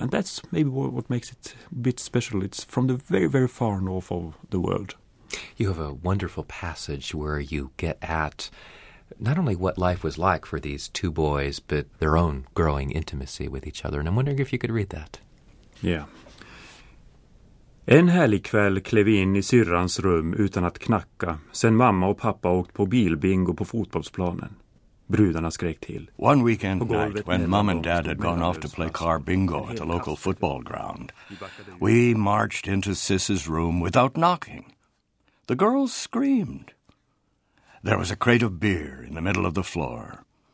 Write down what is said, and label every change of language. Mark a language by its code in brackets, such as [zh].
[en] And that's maybe what makes it a bit special. It's from the very, very far north of the world. You have a wonderful passage where you get at not only what life was like for these two boys, but their own growing intimacy with each other. And I'm wondering if you could read that. Yeah. [sv] En härlig kväll klev vi in i syrrans rum utan att knacka, sen mamma och pappa åkt på bilbingo på fotbollsplanen. Brudarna skrek till. [en] One weekend night, when mom and dad had gone off to play car bingo at the local football ground, we marched into Sis's room without knocking. The girls screamed. There was a crate of beer in the middle of the floor.